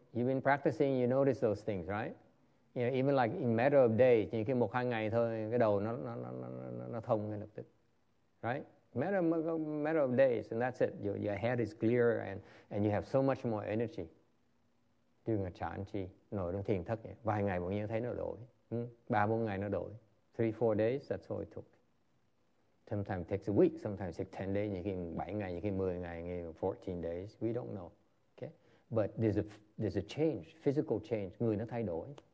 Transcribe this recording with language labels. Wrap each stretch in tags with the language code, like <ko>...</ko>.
<en>You've been practicing, you notice those things, right? You know, even like in matter of days,</en> <vi>chỉ cái một hai ngày thôi, cái đầu nó thông ngay lập tức.</vi> <en>Right? Matter of days, and that's it. Your head is clearer, and you have so much more energy. During a chan chi,</en> <vi>nổi trong thiền thất, vài ngày bỗng nhiên thấy nó đổi. Ba bốn ngày nó đổi.</vi> <en>3-4 days, that's all it took. Sometimes it takes a week, sometimes it takes 10 days,</en> <vi>nhiều khi 7 ngày, nhiều khi 10 ngày,</vi> <en>14 days, we don't know. Okay? But there's a change, physical change,</en> <vi>người nó thay đổi.</vi>